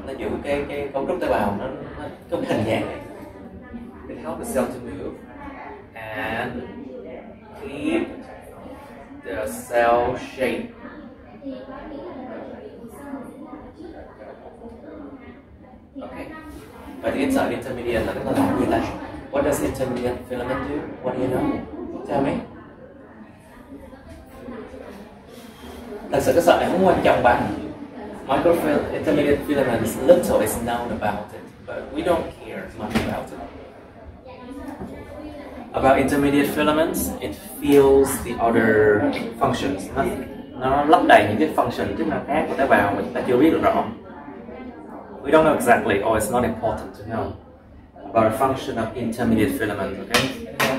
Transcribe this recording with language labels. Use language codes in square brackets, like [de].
[vi] Nó giữ cái cấu trúc tế bào nó có hình dạng. [en] It helps the cell to move and keep the cell shape. Okay. But inside intermediate, like the filament, what does intermediate filament do? What do you know? Tell me. [vi] Thật sự cái sợi này không quan trọng bằng [en] microfil intermediate filaments. Little is known about it, but we don't care much about it. About intermediate filaments, it fills the other functions. [vi] Nó lấp đầy những cái function chức năng khác của tế bào mà chúng ta chưa biết được rõ. [en] We don't know exactly, or it's not important to know about the function of intermediate filaments, okay?